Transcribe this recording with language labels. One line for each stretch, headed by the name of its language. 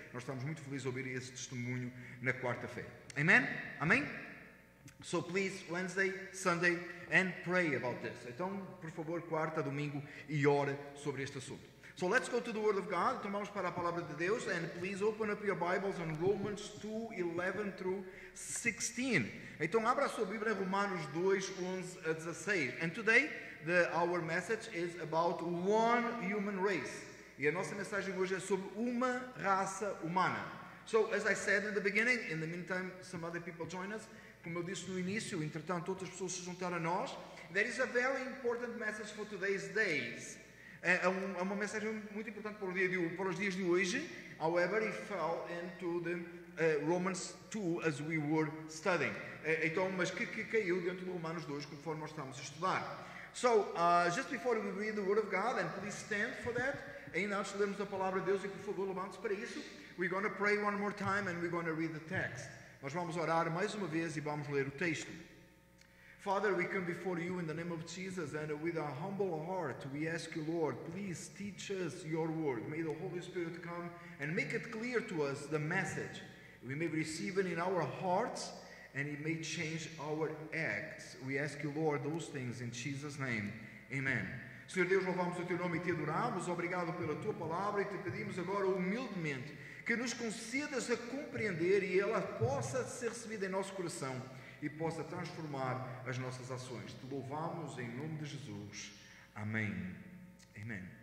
Portuguese: Nós estamos muito felizes ouvir esse testemunho na quarta-feira.
English: Amen? Amém? So please, Wednesday, Sunday, and pray about this.
Portuguese: Então, por favor, quarta, domingo, e ore sobre este assunto.
English: So let's go to the Word of God.
Portuguese: Tomamos para a Palavra de Deus.
English: And please open up your Bibles on Romans 2, 11 through 16.
Portuguese: Então, abra a sua Bíblia em Romanos 2, 11 a 16.
English: And today, our message is about one human race.
Portuguese: E a nossa mensagem hoje é sobre uma raça humana.
English: So, as I said in the beginning, in the meantime, some other people join us.
Portuguese: Como eu disse no início, entretanto, outras pessoas se juntaram a nós.
English: There is a very important message for today's days.
Portuguese: É uma mensagem muito importante para os dias de hoje.
English: However, it fell into the Romans 2 as we were studying.
Portuguese: Então, mas que caiu dentro do Romanos 2 conforme nós estávamos a estudar.
English: So, just before we read the Word of God, and please stand for that.
Portuguese: Ainda antes de lermos a Palavra de Deus, e por favor, levante-se para isso.
English: We're going to pray one more time and we're going to read the text.
Portuguese: Nós vamos orar mais uma vez e vamos ler o texto.
English: Father, we come before you in the name of Jesus, and with a humble heart we ask you, Lord, please teach us your word. May the Holy Spirit come and make it clear to us the message. We may receive it in our hearts, and it may change our acts. We ask you, Lord, those things in Jesus' name. Amen.
Portuguese: Senhor Deus, louvamos o teu nome e te adoramos. Obrigado pela tua palavra e te pedimos agora humildemente que nos concedas a compreender e ela possa ser recebida em nosso coração e possa transformar as nossas ações. Te louvamos em nome de Jesus. Amém. Amém.